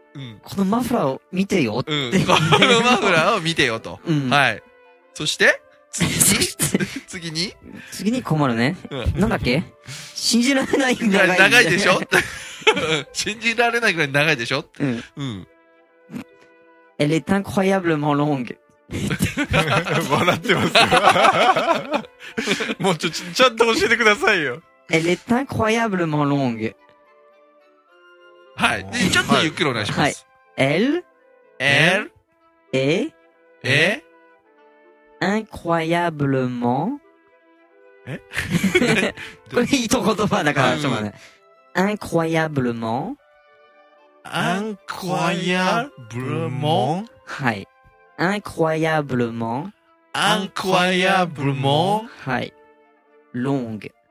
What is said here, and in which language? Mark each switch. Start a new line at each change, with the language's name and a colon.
Japanese: うん、このマフラーを見てよって、うん。このマフラーを見てよと。うん、はい。そして、次に困るね。なんだっけ信じられないぐらい長いでしょ信じられないぐらい長いでしょ、うん、うん。
French: Elle est incroyablement longue.
Japanese: 笑ってますよ。もうちゃんと教えてくださいよ。
French: Elle est incroyablement longue.
Japanese: はい。で、ちょっとゆっくりお願いします。はい。
French: Elle est incroyablement.
Japanese: これ、いいと言葉だから、ちょっと待って。
French: incroyablement. incroyablement. はい。incroyablement. incroyablement. はい。long.